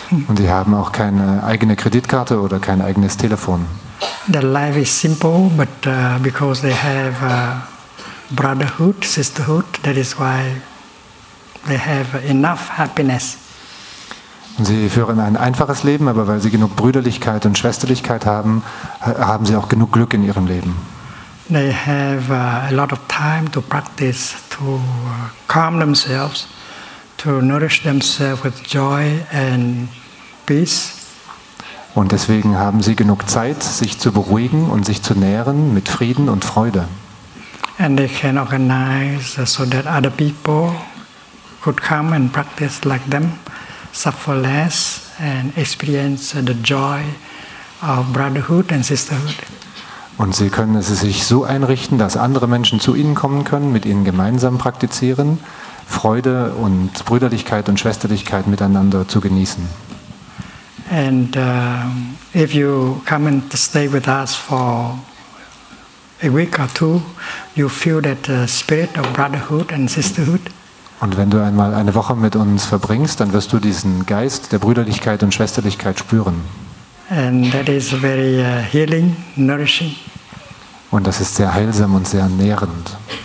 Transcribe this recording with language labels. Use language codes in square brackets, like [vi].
[de] Und die haben auch keine eigene Kreditkarte oder kein eigenes Telefon. [en] Their life is simple, but because they have brotherhood, sisterhood, that is why they have enough happiness. [de] Und sie führen ein einfaches Leben, aber weil sie genug Brüderlichkeit und Schwesterlichkeit haben, haben sie auch genug Glück in ihrem Leben. [en] They have a lot of time to practice, to calm themselves, to nourish themselves with joy and peace. [de] Und deswegen haben sie genug Zeit, sich zu beruhigen und sich zu nähren mit Frieden und Freude. [en] And they can organize so that other people could come and practice like them. Suffer less and experience the joy of brotherhood and sisterhood. [de] Und sie können es sich so einrichten, dass andere Menschen zu ihnen kommen können, mit ihnen gemeinsam praktizieren, Freude und Brüderlichkeit und Schwesterlichkeit miteinander zu genießen. [en] And if you come and stay with us for a week or two, you feel that the spirit of brotherhood and sisterhood. [de] Und wenn du einmal eine Woche mit uns verbringst, dann wirst du diesen Geist der Brüderlichkeit und Schwesterlichkeit spüren. [en] And that is very healing, nourishing. [de] Und das ist sehr heilsam und sehr nährend.